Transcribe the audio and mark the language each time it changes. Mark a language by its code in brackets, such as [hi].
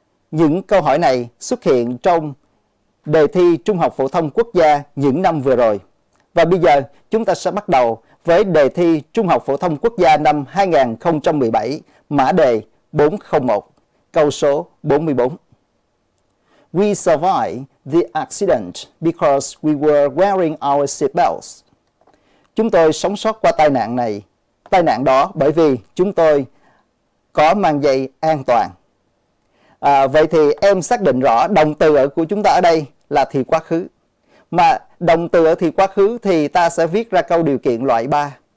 [vi] Những câu hỏi này xuất hiện trong đề thi Trung học Phổ thông Quốc gia những năm vừa rồi. Và bây giờ chúng ta sẽ bắt đầu với đề thi Trung học Phổ thông Quốc gia năm 2017, mã đề 401, câu số 44. [en] We survived the accident because we were wearing our seat belts. [vi] Chúng tôi sống sót qua tai nạn này, tai nạn đó bởi vì chúng tôi có mang dây an toàn. Vậy thì em xác định rõ động từ ở của chúng ta ở đây là thì quá khứ. Mà động từ ở thì quá khứ thì ta sẽ viết ra câu điều kiện loại 3.